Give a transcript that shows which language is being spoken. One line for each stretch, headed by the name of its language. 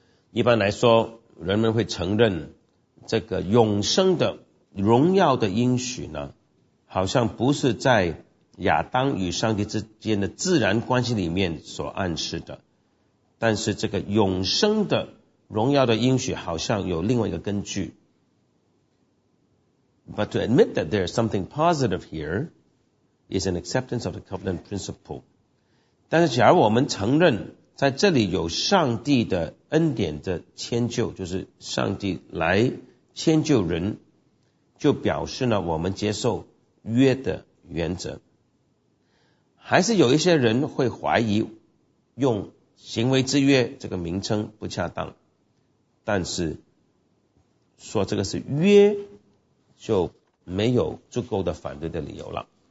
Chinese: 一般来说人们会承认这个永生的荣耀的应许呢，好像不是在亚当与上帝之间的自然关系里面所暗示的，但是这个永生的荣耀的应许好像有另外一个根据。
English: But to admit that there is something positive here is an acceptance of the covenant principle.
Chinese: 但是假如我们承认在这里有上帝的恩典的迁就，就是上帝来迁就人，就表示呢我们接受约的原则。还是有一些人会怀疑用行为之约这个名称不恰当，但是说这个是约就没有足够的反对的理由了。